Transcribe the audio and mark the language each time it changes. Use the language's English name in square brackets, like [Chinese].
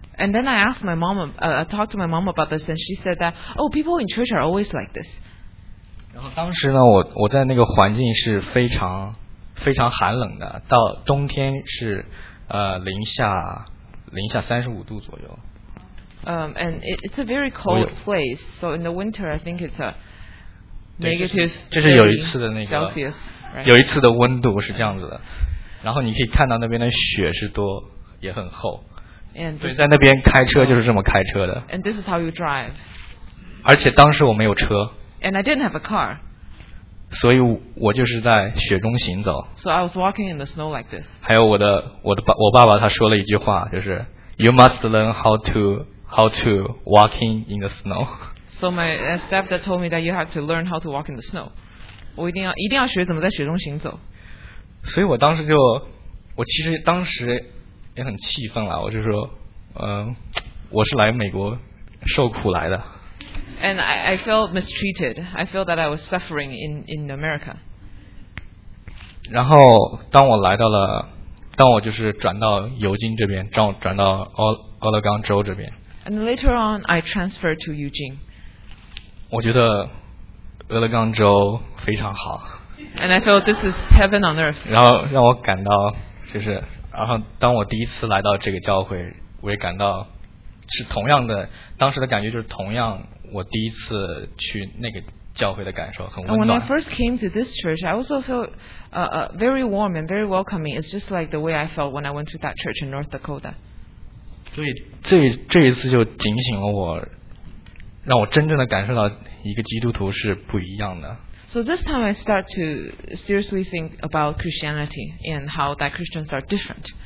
[English] And then I asked my mom, I talked to my mom about this, and she said that, oh, people in church are always like this. [Chinese] 然后当时呢，我在那个环境是非常非常寒冷的，到冬天是零下35度左右。 [English] And it's a very cold place, so in the winter I think it's a negative. [Chinese] 这是有一次的那个 [English] Celsius,、right? [Chinese] 有一次的温度是这样子的，然后你可以看到那边的雪是多。也很厚，所以在那边开车就是这么开车的。 [English] And this is how you drive. [Chinese] 而且当时我没有车。 [English] And I didn't have a car. [Chinese] 所以我就是在雪中行走。 [English] So I was walking in the snow like this. [Chinese] 还有我爸爸他说了一句话，就是 [English] You must learn how to walking in the snow. So my stepdad told me that you have to learn how to walk in the snow. [Chinese] 我一定要学怎么在雪中行走。所以我当时就，我其实当时。也很气愤了，我就说，我是来美国受苦来的。 [English] And I felt mistreated. I felt that I was suffering in America. [Chinese] 然后当我来到了，当我就是转到尤金这边，转到奥勒冈州这边。 [English] And later on, I transferred to Eugene. [Chinese] 我觉得俄勒冈州非常好。 [English] And I felt this is heaven on earth. [Chinese] 然后让我感到就是，然后当我第一次来到这个教会，我也感到是同样的，当时的感觉就是同样我第一次去那个教会的感受，很温暖。 [English] And when I first came to this church, I also felt very warm and very welcoming. It's just like the way I felt when I went to that church in North Dakota. [Chinese] 所以这一次就警醒了我，让我真正的感受到一个基督徒是不一样的。 [English] So this time I start to seriously think about Christianity and how that Christians are different.